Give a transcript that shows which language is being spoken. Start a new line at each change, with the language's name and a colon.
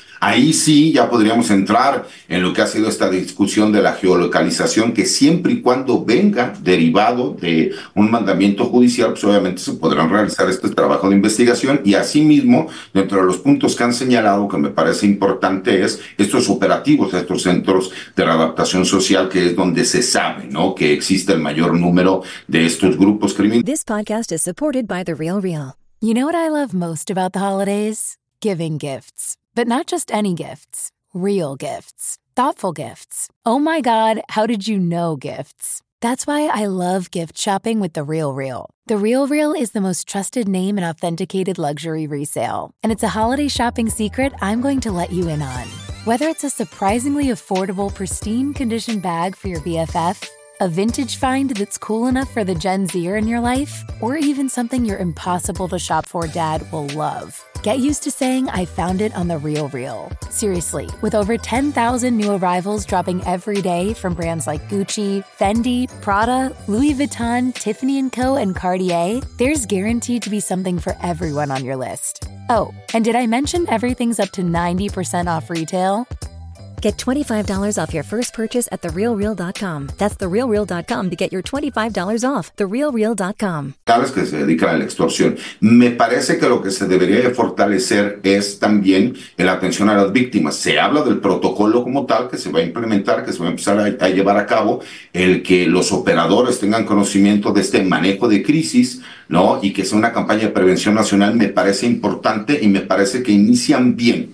Spanish: Ahí sí ya podríamos entrar en lo que ha sido esta discusión de la geolocalización, que siempre y cuando venga derivado de un mandamiento judicial, pues obviamente se podrán realizar este trabajo de investigación. Y asimismo, dentro de los puntos que han señalado, que me parece importante, es estos operativos, estos centros de readaptación social, que es donde se sabe, ¿no?, que existe el mayor número de estos grupos criminales.
English: This podcast is supported by The Real Real. You know what I love most about the holidays? Giving gifts. But not just any gifts, real gifts, thoughtful gifts. Oh my God, how did you know gifts? That's why I love gift shopping with The Real Real. The Real Real is the most trusted name in authenticated luxury resale. And it's a holiday shopping secret I'm going to let you in on. Whether it's a surprisingly affordable, pristine condition bag for your BFF, a vintage find that's cool enough for the Gen Zer in your life, or even something your impossible to shop for dad will love. Get used to saying, I found it on The Real Real. Seriously, with over 10,000 new arrivals dropping every day from brands like Gucci, Fendi, Prada, Louis Vuitton, Tiffany & Co., and Cartier, there's guaranteed to be something for everyone on your list. Oh, and did I mention everything's up to 90% off retail? Get $25 off your first purchase at TheRealReal.com. That's TheRealReal.com to get your $25 off. TheRealReal.com.
Spanish: Cada vez que se dedican a la extorsión, me parece que lo que se debería de fortalecer es también la atención a las víctimas. Se habla del protocolo como tal que se va a implementar, que se va a empezar a llevar a cabo, el que los operadores tengan conocimiento de este manejo de crisis, ¿no?, y que sea una campaña de prevención nacional, me parece importante, y me parece que inician bien.